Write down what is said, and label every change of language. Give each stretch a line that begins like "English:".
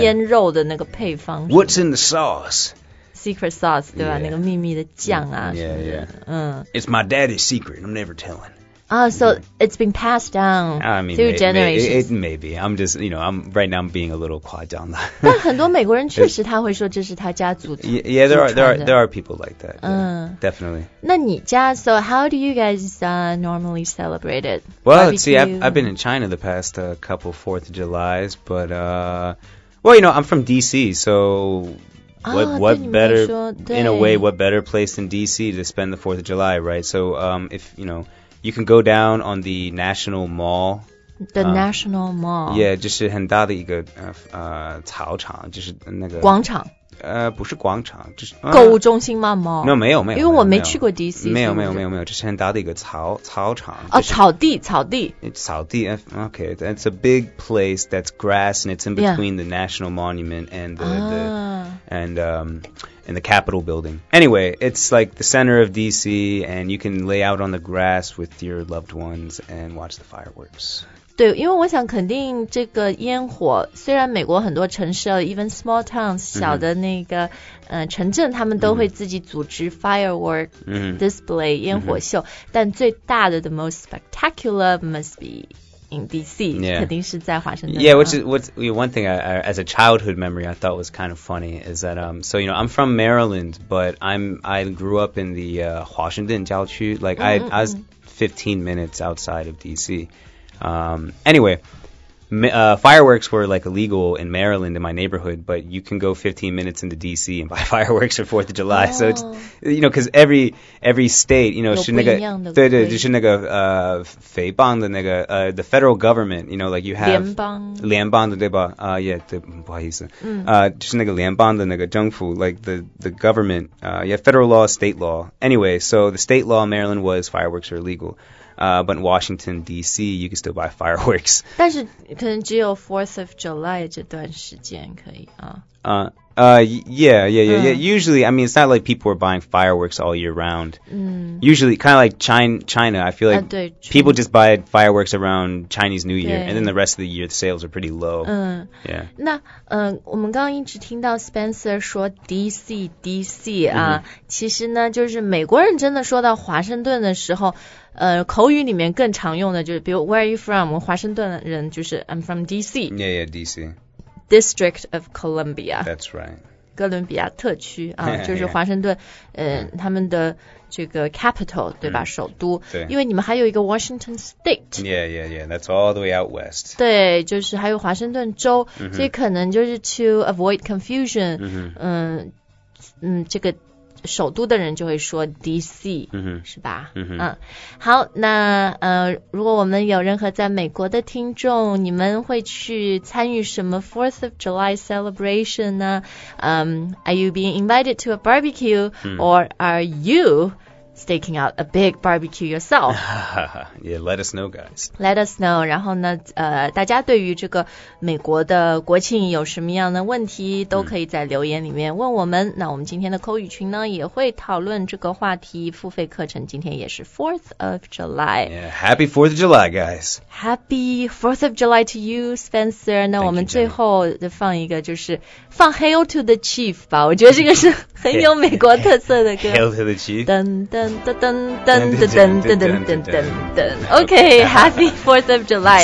Chinese: 腌肉的那个配方。
English: What's in the sauce? Secret sauce,
Chinese: 对吧、
English: yeah.
Chinese: 那个秘密的酱啊。
English: Yeah,
Chinese: 是不是
English: yeah. 嗯。 It's my daddy's secret, I'm never telling. Oh, so、yeah. it's been passed down I mean, through generations. Maybe, I'm just, you know, I'm, right now I'm being a little
Chinese: 夸张的。但很多美国人确实他会说这是他家族
English: yeah, yeah, there are people like that, yeah,、嗯、 definitely.
Chinese: 那你家
English: so how do you guys、normally celebrate it? Well, see, I've been in China the past、couple 4th of July's, but,、well, you know, I'm from D.C., so... What better, in a way, what better place than D.C. to spend the 4th of July, right? So, if, you know, you can go down on the National Mall. The National Mall.
Chinese: Yeah, 就是很大的一个草场，就是那个。广场。不是广场，就是。购物中心吗 ？Mall？没有，没有，没有。因为我没去过 D.C. 没有，这是很大的一个草场。哦，草地，草地。草地
English: ，Okay, that's a big place that's grass and it's in between the National Monument and the. And the Capitol building. Anyway, it's like the center of D.C. and you can lay out on the grass with your loved ones and watch the fireworks.
Chinese: 对，因为我想肯定这个烟火，虽然美国很多城市 ，
English: even small towns
Chinese: 小的那个、mm-hmm. 城镇，他们都会自己组织 firework、 mm-hmm.
English: display
Chinese: 烟火秀，
English: mm-hmm.
Chinese: 但最大的
English: the most spectacular must be. In D.C. Yeah.
Chinese: 肯定是在华盛顿。
English: Yeah, which is one thing I, as a childhood memory I thought was kind of funny is that so you know I'm from Maryland but I grew up in the
Chinese: 华盛顿郊区
English: like mm-hmm. I was 15 minutes outside of D.C. Anyway, fireworks were like illegal in Maryland in my neighborhood but you can go 15 minutes into D.C. and buy fireworks for 4th of July、 oh. so it's you know because every state you know
Chinese: 是那个对对就是那个肥棒的那个
English: the federal government you know like you have
Chinese: 联邦的对吧yeah 对不好意思、嗯、就是那个联邦的那个政府
English: like the government yeah federal law state law anyway so the state law in Maryland was fireworks are illegal but in Washington, D.C., you can still buy fireworks.
Chinese: 但是可能只有 4th of July 这段时间可以啊。
English: Yeah. Usually, I mean, it's not like people are buying fireworks all year round. Usually, kind of like China, I feel like people just buy fireworks around Chinese New Year, and then the rest of the year, the sales are pretty low. Yeah.
Chinese: 那我们刚刚一直听到 Spencer 说 DC 啊，其实呢，就是美国人真的说到华盛顿的时候。口语里面更常用的就是比如
English: Where are you from?
Chinese: 华盛顿人就是
English: I'm from DC. Yeah, DC. District of Columbia. That's right.
Chinese: 哥伦比亚特区啊就是华盛顿他们的这个 capital, 对吧首都。对。因为你们还有一个 Washington State.
English: Yeah. That's all the way out west.
Chinese: 对就是还有华盛顿州、所以可能就是
English: to avoid confusion,
Chinese: 这个首都的人就会说 DC,、是吧、好那如果我们有任何在美国的听众你们会去参与什么 4th of July celebration 呢、
English: Are you being invited to a barbecue、or are you staking out a big barbecue yourself? Yeah, let us know guys. Let us know,
Chinese: 然后呢大家对于这个美国的国庆有什么样的问题都可以在留言里面问我们。那我们今天的口语群呢也会讨论这个话题付费课程今天也是 4th of July.
English: Yeah, happy 4th of July guys. Happy 4th of July to you, Spencer.
Chinese: 那我们最后放一个就是放 Hail to the Chief 吧我觉得这个是很有美国特色的歌。
English: Hail to the Chief. 噔噔噔噔噔噔噔噔噔噔 OK, happy 4th of July.